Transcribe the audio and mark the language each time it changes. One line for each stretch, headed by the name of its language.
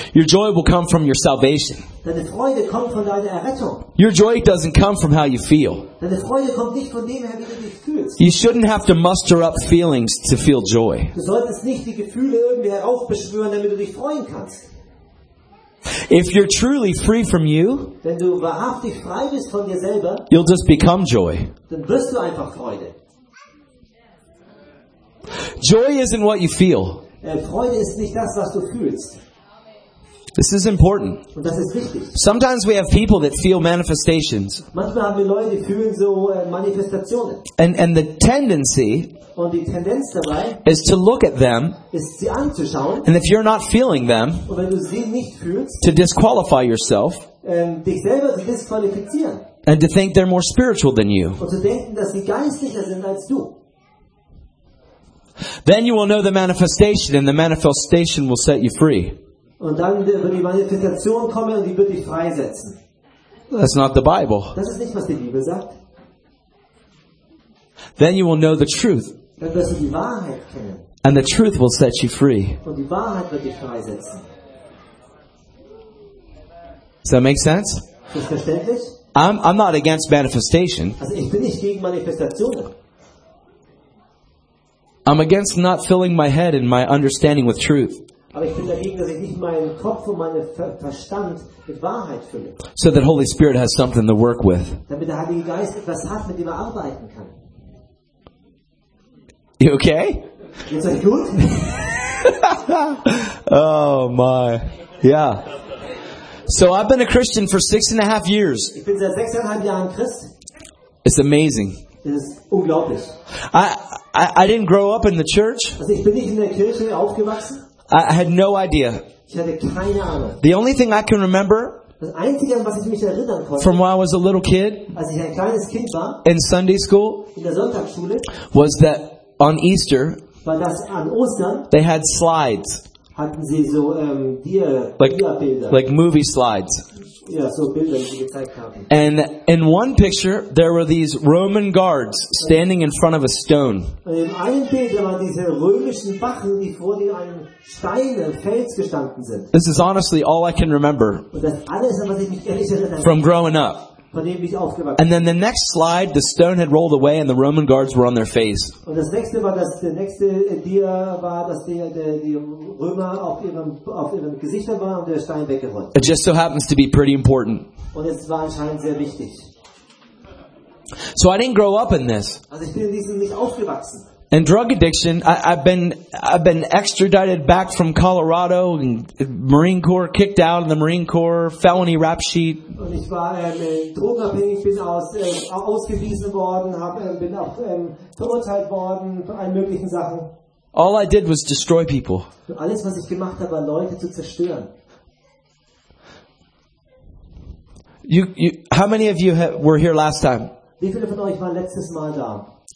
English: Your joy will come from your salvation.
German: Deine Freude kommt von deiner Errettung.
English: Your joy doesn't come from how you feel.
German: Deine Freude kommt nicht von dem her, wie du dich fühlst.
English: You shouldn't have to muster up feelings to feel joy.
German: Du solltest nicht die Gefühle irgendwie heraufbeschwören, damit du dich freuen kannst.
English: If you're truly free from you,
German: wenn du wahrhaftig frei bist von dir selber,
English: you'll just become joy.
German: Dann wirst du einfach Freude.
English: Joy isn't what you feel.
German: Freude ist nicht das, was du fühlst.
English: This is important.
German: Und das ist wichtig.
English: Sometimes we have people that feel manifestations.
German: Manchmal haben wir Leute, die fühlen so Manifestationen.
English: And the tendency,
German: und die Tendenz dabei,
English: is to look at them,
German: ist sie anzuschauen,
English: and if you're not feeling them,
German: und wenn du sie nicht fühlst,
English: to disqualify yourself,
German: dich selber zu disqualifizieren,
English: and to think they're more spiritual than you.
German: Und zu denken, dass sie geistlicher sind als du.
English: Then you will know the manifestation, and the manifestation will set you free.
German: Und dann wird die Manifestation kommen und die wird dich freisetzen.
English: That's not the Bible.
German: Das ist nicht, was die Bibel sagt.
English: Then you will know the truth.
German: Dann wirst du die Wahrheit kennen.
English: And the truth will set you free.
German: Und die Wahrheit wird dich freisetzen.
English: Does that make sense?
German: Ist das verständlich?
English: I'm not against manifestation.
German: Also ich bin nicht gegen Manifestationen.
English: I'm against not filling my head and my understanding with truth.
German: Aber ich bin dagegen, dass ich nicht meinen Kopf und meinen Verstand mit Wahrheit fülle.
English: So that Holy Spirit has something to work with.
German: Damit der Heilige Geist etwas hat, mit dem er arbeiten kann.
English: You okay?
German: Geht's euch gut?
English: Oh my. Yeah. So I've been a Christian for 6.5 years.
German: Ich bin seit 6.5 Jahren Christ.
English: It's amazing.
German: Das ist unglaublich.
English: I didn't grow up in the church.
German: Also ich bin nicht in der Kirche aufgewachsen.
English: I had no idea.
German: Ich hatte keine Ahnung.
English: The only thing I can remember, from when I was a little kid,
German: als ich ein kleines Kind war,
English: in Sunday school,
German: in der Sonntagsschule,
English: was that on Easter,
German: war das an Ostern,
English: they had slides.
German: Hatten sie so,
English: like movie slides.
German: Ja, so Bilder, die gezeigt haben.
English: And in one picture, there were these Roman guards standing in front of a stone.
German: In einem Bild waren diese römischen Wachen, die vor dem einen Stein, einem Fels gestanden sind.
English: This is honestly all I can remember.
German: Und das alles, was ich mich ehrlich erinnere,
English: from growing up.
German: Von dem ich aufgewachsen bin.
English: And then the next slide, the stone had rolled away and the Roman guards were on their face.
German: Und das nächste war, dass der nächste Dia war, dass die Römer auf ihrem Gesichtern waren und der Stein weggerollt.
English: It just so happens to be pretty important.
German: Und es war anscheinend sehr wichtig.
English: So I didn't grow up in this.
German: Also ich bin in diesem nicht aufgewachsen.
English: And drug addiction, I've been extradited back from Colorado, and Marine Corps, kicked out of the Marine Corps, felony rap sheet.
German: Und ich war drogenabhängig, bin ausgewiesen worden, verurteilt worden von allen möglichen Sachen.
English: All I did was destroy people.
German: Alles, was ich gemacht habe, war Leute zu zerstören.
English: You, how many of you were here last time?
German: Wie viele von euch waren letztes Mal da?